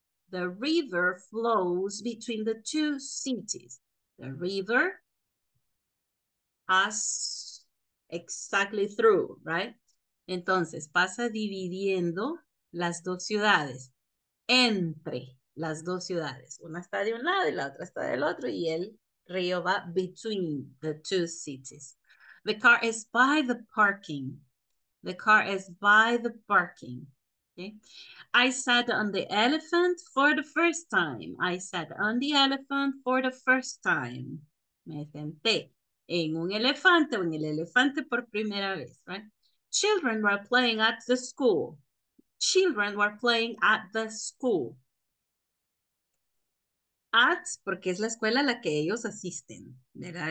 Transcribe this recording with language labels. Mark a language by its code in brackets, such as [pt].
[en] The river flows between the two cities. The river passes exactly through, right? [es] Entonces, pasa dividiendo las dos ciudades. Entre las dos ciudades. Una está de un lado y la otra está del otro. Y el río va [en] between the two cities. The car is by the parking. The car is by the parking. Okay. I sat on the elephant for the first time. I sat on the elephant for the first time. [es] Me senté en un elefante o en el elefante por primera vez, right? [en] Children were playing at the school. Children were playing at the school. [es] At, porque es la escuela a la que ellos asisten, ¿verdad?